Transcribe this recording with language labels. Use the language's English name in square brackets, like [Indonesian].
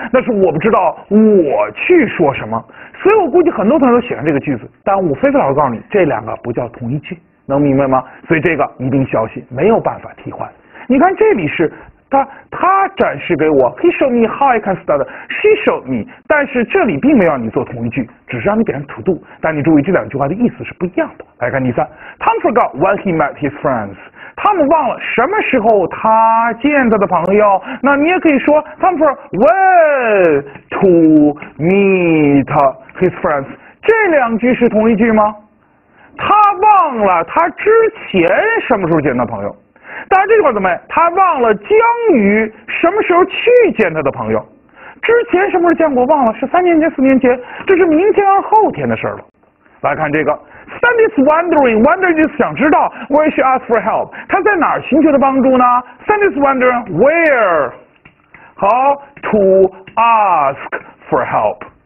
[Chinese] 那是我不知道我去说什么。所以我估计很多同学都喜欢这个句子，但我非得要告诉你，这两个不叫同义句。能明白吗？所以这个一定消息没有办法替换。你看这里是他展示给我， [English] He showed me how I can start. She showed me. [Chinese] 但是这里并没有让你做同义句，只是让你变成 to do。但你注意这两句话的意思是不一样的。来看第三， [English] Tom forgot when he met his friends. [Chinese] 他们忘了什么时候他见他的朋友。那你也可以说 [English] Tom forgot when to meet his friends。 [Chinese] 这两句是同义句吗？他忘了他之前什么时候见他朋友，但是这句话怎么？他忘了将于什么时候去见他的朋友，之前什么时候见过？忘了是3年前、4年前，这是明天后天的事儿了。来看这个， [English] Sandy's wondering， [Chinese] wonder 就是想知道， [English] where she asked for help， [Chinese] 他在哪儿寻求的帮助呢？ [English] Sandy's wondering where， [Chinese] 好， [English] to ask for help。